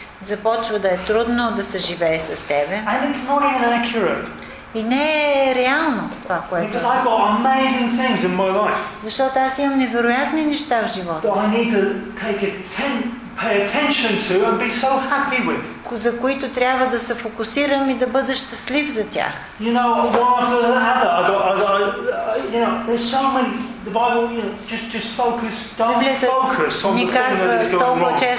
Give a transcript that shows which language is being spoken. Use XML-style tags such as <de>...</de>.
<bg>Започва да е трудно да се живее с тебе.</bg> <en>And it's not even accurate.</en> <bg>И не е реално това, което.</bg> <en>Because I've got amazing things in my life.</en> <bg>Защото аз имам невероятни неща в живота.</bg> <en>That I need to take pay attention to and be so happy with.</en> <bg>За които трябва да се фокусирам и да бъда щастлив за тях.</bg> <en>You know, one after another. There's so many. The Bible, just focus. Don't focus on the things that are going wrong.</en>